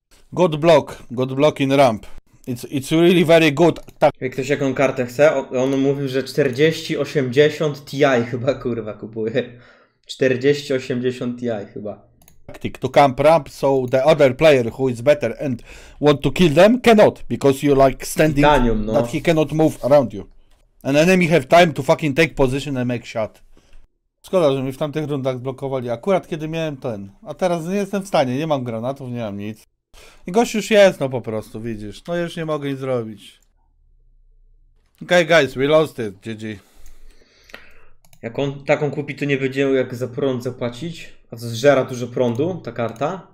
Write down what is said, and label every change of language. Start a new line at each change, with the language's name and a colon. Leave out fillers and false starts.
English: Good block, good block in ramp. It's really very good. Tak.
Polish: Jak ktoś jaką kartę chce, on mówił, że 40-80 TI chyba, kurwa, kupuje. 40-80 TI chyba.
English: Tactic to camp ramp, so the other player who is better and want to kill them cannot, because you like standing
Polish: Titanium, no.
English: That he cannot move around you. An enemy have time to fucking take position and make shot.
Polish: Szkoda, że mi w tamtych rundach zblokowali, akurat kiedy miałem ten. A teraz nie jestem w stanie, nie mam granatów, nie mam nic. I gość już jest, no po prostu, widzisz. No już nie mogę nic zrobić.
English: Okay, guys, we lost it, GG.
Polish: Jak on taką kupi, to nie będzie jak za prąd zapłacić. A to zżera dużo prądu, ta karta.